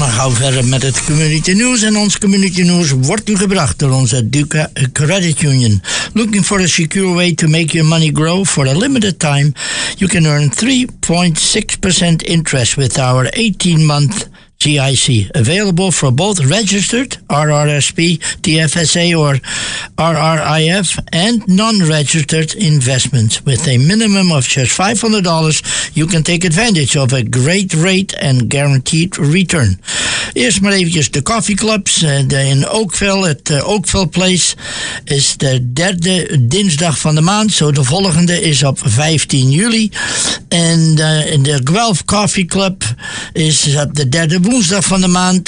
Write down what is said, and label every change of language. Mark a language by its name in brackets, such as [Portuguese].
[Dutch] Verder met het Community News. En ons Community News wordt u gebracht door onze Duca Credit Union. [English] Looking for a secure way to make your money grow for a limited time? You can earn 3.6% interest with our 18-month GIC. Available for both registered RRSP, TFSA or RRIF and non-registered investments. With a minimum of just $500, you can take advantage of a great rate and guaranteed return. [Dutch] Eerst maar eventjes de koffieclubs in Oakville, het Oakville Place is de derde dinsdag van de maand. Zo, de volgende is op 15 juli. En de Guelph Coffee Club is op de derde woensdag van de maand.